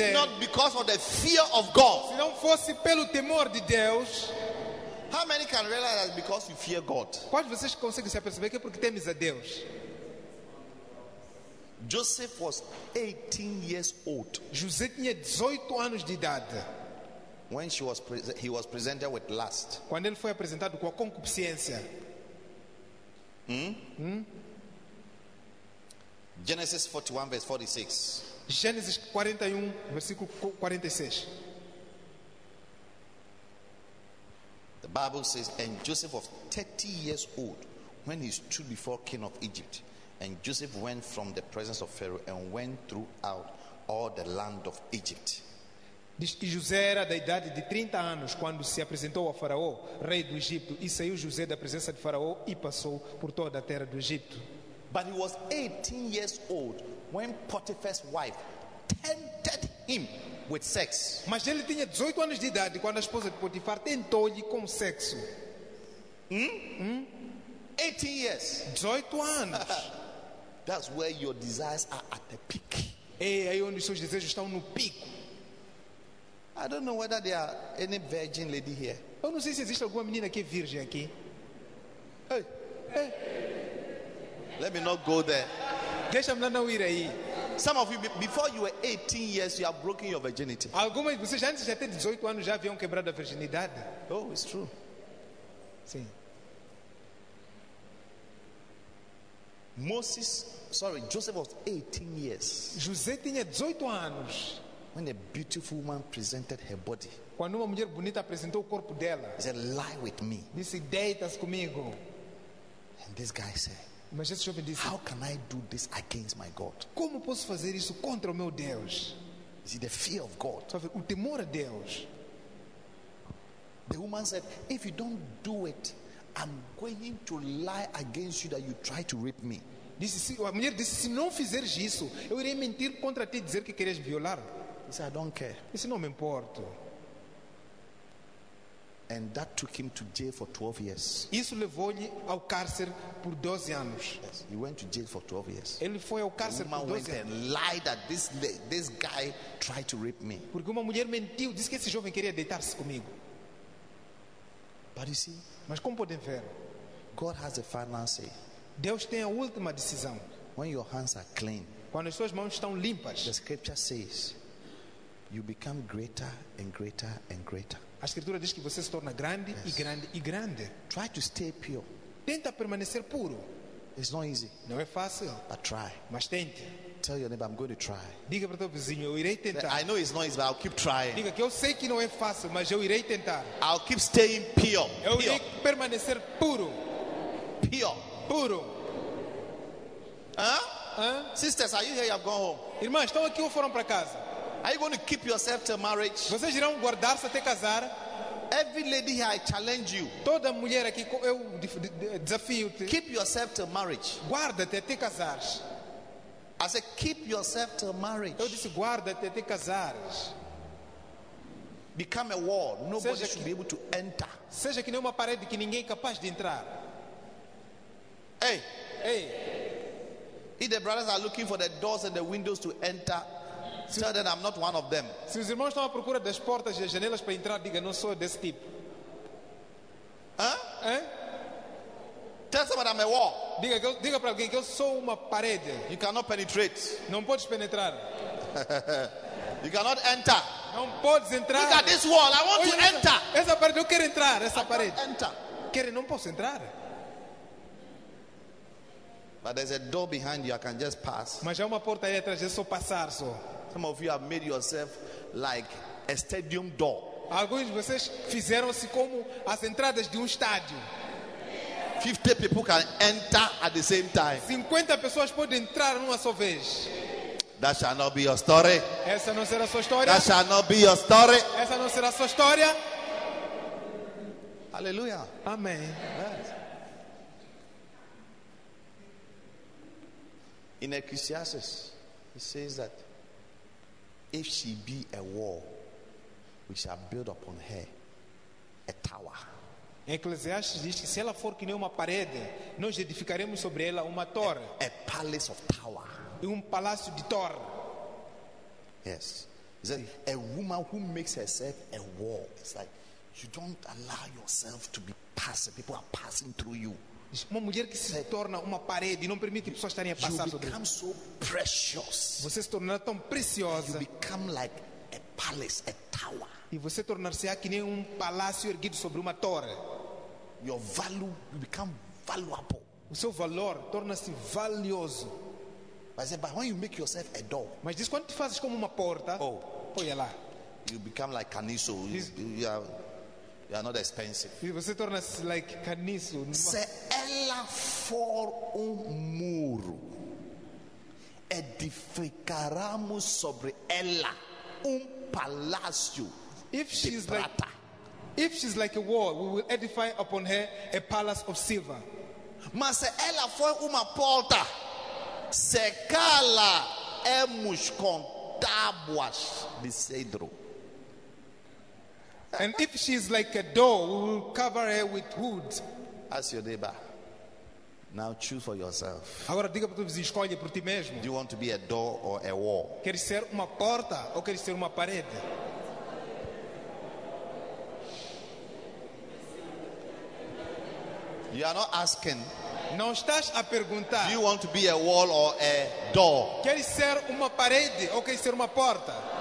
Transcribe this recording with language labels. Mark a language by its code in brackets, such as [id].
[en] if not because of the fear of God, [pt] se não fosse pelo temor de Deus. [en] How many can realize that because you fear God? [pt] Quais vocês conseguem se aperceber que é porque temes a Deus? [en] Joseph was 18 years old. [pt] José tinha 18 anos de idade. [en] When she was he was presented with lust. [pt] Quando ele foi apresentado com a concupiscência. [en] Genesis 41 verse 46. [pt] Gênesis 41 versículo 46. [en] The Bible says, and Joseph was 30 years old when he stood before king of Egypt. And Joseph went from the presence of Pharaoh and went throughout all the land of Egypt. [pt] Diz que José era da idade de 30 anos quando se apresentou a Faraó, rei do Egito. E saiu José da presença de Faraó e passou por toda a terra do Egito. [en] But he was 18 years old when Potiphar's wife tempted him with sex. [pt] Mas ele tinha 18 anos de idade quando a esposa de Potifar tentou-lhe com sexo. [en] 18 years. [pt] 18 anos. [en] That's where your desires are at the peak. [pt] É aí onde seus desejos estão no pico. [en] I don't know whether there are any virgin lady here. [pt] Eu não sei se existe alguma menina que é virgem aqui. Hey. Hey. [en] Let me not go there. [pt] Deixa-me não ir aí. [en] Some of you, before you were 18 years, you have broken your virginity. [pt] Algumas de vocês antes de ter 18 anos já haviam quebrado a virginidade. [en] Oh, it's true. [pt] Sim. [en] Joseph was 18 years. [pt] José tinha 18 anos. [en] When a beautiful woman presented her body. [pt] Quando uma mulher bonita apresentou o corpo dela. [en] He said, lie with me. [pt] Disse, deita-se comigo. [en] And this guy said, [pt] mas esse jovem disse, [en] how can I do this against my God? [pt] Como posso fazer isso contra o meu Deus? [en] Is it the fear of God? [pt] O temor a Deus. [en] The woman said, if you don't do it, I'm going to lie against you that you try to rape me. [pt] Disse, a mulher disse, se não fizeres isso, eu irei mentir contra ti e dizer que queres violar. [en] He said, I don't care. [pt] Disse, não me importo. [en] And that took him to jail for 12 years. [pt] Isso levou-lhe ao cárcere por 12 anos. [en] Yes, he went to jail for 12 years. [pt] Ele foi ao cárcere por 12 anos. [en] The woman went and lied that this guy tried to rape me. [pt] Porque uma mulher mentiu, disse que esse jovem queria deitar-se comigo. [en] But you see, [pt] mas como podem ver? [en] God has a final say. [pt] Deus tem a última decisão. [en] When your hands are clean. [pt] Quando as suas mãos estão limpas. [en] The scripture says, you become greater and greater and greater. [pt] A escritura diz que você se torna grande, [en] yes, [pt] e grande e grande. [en] Try to stay pure. [pt] Tenta permanecer puro. [en] It's not easy. [pt] Não é fácil. [en] But try. [pt] Mas tente. [en] Tell your neighbor, I'm going to try. [pt] Diga para o teu vizinho, eu irei tentar. [en] I know it's not easy, but I'll keep trying. [pt] Diga que eu sei que não é fácil, mas eu irei tentar. [en] I'll keep staying pure. [pt] Eu irei permanecer puro. [en] Pure. [pt] Puro. [en] Huh? Sisters, are you here? You've gone home. [pt] Irmãs, estão aqui ou foram para casa? [en] Are you going to keep yourself till marriage? [pt] Vocês irão guardar-se até casar? [en] Every lady here, I challenge you. [pt] Toda mulher aqui, eu desafio-te. [en] Keep yourself till marriage. [pt] Guarda-te até casar. [en] I said, keep yourself till marriage. [pt] Eu disse, guarda-te até casar. [en] Become a wall. Nobody [pt] seja [en] should [pt] que, [en] be able to enter. [pt] Seja que nem uma parede que ninguém é capaz de entrar. Hey. Hey. [en] If the brothers are looking for the doors and the windows to enter, tell them I'm not one of them. [pt] Se os irmãos estão à procura das portas e das janelas para entrar, diga, não sou desse tipo. [en] Tell somebody I'm a wall. [pt] Diga para alguém que eu sou uma parede. [en] You cannot penetrate. [pt] Não podes penetrar. [en] You cannot enter. [pt] Não podes entrar. [en] Look at this wall. I want to enter. [pt] Essa parede, eu quero entrar. Essa [en] I [pt] parede. [en] Enter. [pt] Quero, não posso entrar. [en] But there's a door behind you. I can just pass. [pt] Mas há uma porta aí atrás. É só passar só. [en] Some of you have made yourself like a stadium door. [pt] Alguns de vocês fizeram-se como as entradas de estádio. [en] 50 people can enter at the same time. [pt] 50 pessoas podem entrar numa só vez. [en] That shall not be your story. [pt] Essa não será sua história. [en] That shall not be your story. [pt] Essa não será sua história. [en] Hallelujah. [pt] Amém. [en] Yes. In Ecclesiastes, he says that if she be a wall, we shall build upon her a tower. [pt] Eclesiastes diz que se ela for que nem uma parede, nós edificaremos sobre ela uma torre. [en] A palace of tower. [pt] E palácio de torre. [en] Yes. He said, a woman who makes herself a wall. It's like you don't allow yourself to be passive. People are passing through you. [pt] Uma mulher que se torna uma parede e não permite pessoas estarem a passar sobre ela. [en] So precious. [pt] Você se tornará tão preciosa. [en] You become like a palace, a tower. [pt] E você tornar-se-á que nem palácio erguido sobre uma torre. [en] Your value, you become valuable. [pt] O seu valor torna-se valioso. [en] But when you make yourself a door, [pt] mas diz quando te fazes como uma porta, [en] oh, [pt] olha lá. [en] You become like caniço. You are not expensive. [pt] E você torna-se like caniço. Se ela for muro, edificaremos sobre ela palácio. [en] If she's like a wall, we will edify upon her a palace of silver. [pt] Mas se ela for uma porta, se cala émos com tábuas de cedro. [en] And if she's like a door, we will cover her with wood. Ask your neighbor. Now choose for yourself. [pt] Agora diga para tu dizer, escolhe por ti mesmo. [en] Do you want to be a door or a wall? [pt] Queres ser uma porta ou queres ser uma parede? [en] You are not asking. [pt] Não estás a perguntar. [en] Do you want to be a wall or a door? [pt] Queres ser uma parede ou queres ser uma porta?